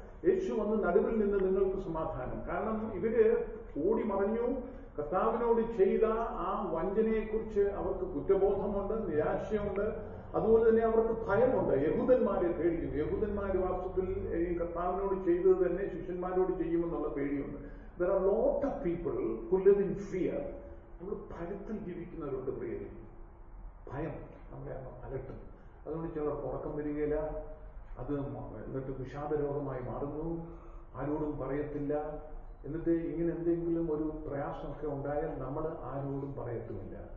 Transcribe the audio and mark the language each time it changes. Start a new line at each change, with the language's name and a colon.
Malayalam: യേശു വന്ന് നടുവിൽ നിന്ന് നിങ്ങൾക്ക് സമാധാനം. കാരണം ഇവര് ഓടി മറഞ്ഞു. കർത്താവിനോട് ചെയ്ത ആ വഞ്ചനയെക്കുറിച്ച് അവർക്ക് കുറ്റബോധമുണ്ട്, നിരാശയുണ്ട്. അതുപോലെ തന്നെ അവർക്ക് ഭയമുണ്ട്. യഹൂദന്മാരെ പേടിക്കുന്നു. യഹൂദന്മാർ വാസ്തുവിൽ ഈ കർത്താവിനോട് ചെയ്തത് തന്നെ ശിഷ്യന്മാരോട് ചെയ്യുമെന്നുള്ള പേടിയുണ്ട്.
English: There are lot of people who live in fear.
Malayalam: നമ്മൾ ഭയത്തിൽ ജീവിക്കുന്നവരുണ്ട് പ്രിയരെ. ഭയം നമ്മളെ അലട്ടും. അതുകൊണ്ട് ചിലർ ഉറക്കം വരികയില്ല. അത് എന്നിട്ട് വിഷാദ രോഗമായി മാറുന്നു. ആരോടും പറയത്തില്ല. എന്നിട്ട് ഇങ്ങനെ എന്തെങ്കിലും ഒരു പ്രയാസമൊക്കെ ഉണ്ടായാൽ നമ്മൾ ആരോടും പറയത്തുമില്ല.